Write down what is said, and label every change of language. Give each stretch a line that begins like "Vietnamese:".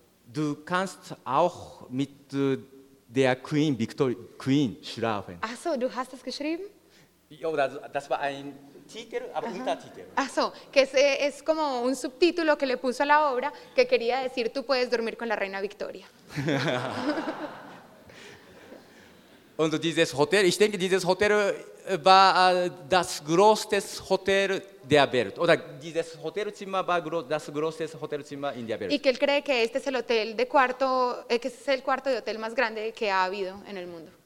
German: Du kannst auch mit der Queen Victoria Queen schlafen. Ach so, du hast das geschrieben? Ja, das war ein Titel, aber Untertitel. Ach so,
Spanish: que es como un subtítulo que le puso a la obra, que quería decir, tú puedes dormir con la reina Victoria.
German: Und dieses Hotel, ich denke, dieses Hotel war das größte Hotel der Welt. Oder dieses Hotelzimmer war das größte Hotelzimmer in der Welt.
Spanish: Y que él cree que este es el hotel de cuarto, que es el cuarto de hotel más grande que ha habido en el mundo.